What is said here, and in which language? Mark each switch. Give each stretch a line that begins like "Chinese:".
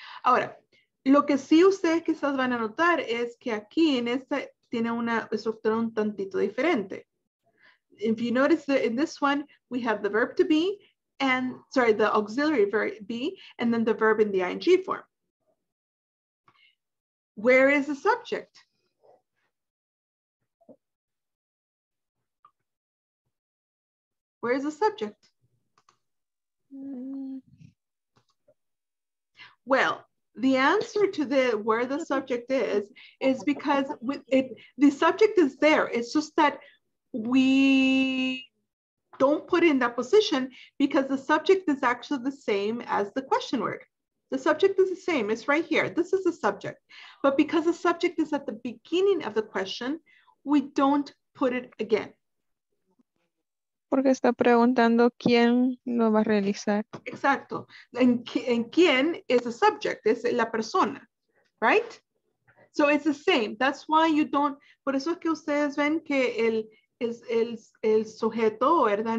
Spanish: Ahora, lo que sí ustedes quizás van a notar es que aquí en esta tiene una estructura un tantito diferente.
English: If you notice that in this one, we have the verb to be, and sorry, the auxiliary verb be, and then the verb in the ing form. Where is the subject? Where is the subject? Well, the answer to the where the subject is because the subject is there. It's just that we don't put it in that position because the subject is actually the same as the question word. The subject is the same. It's right here. This is the subject. But because the subject is at the beginning of the question, we don't put it again.
Spanish: Porque está preguntando quién lo va a realizar. Exacto. En quién
English: is the subject,
Spanish: es la persona,
English: right? So it's the same. That's why you don't,
Spanish: por eso es que ustedes ven que el sujeto, ¿verdad?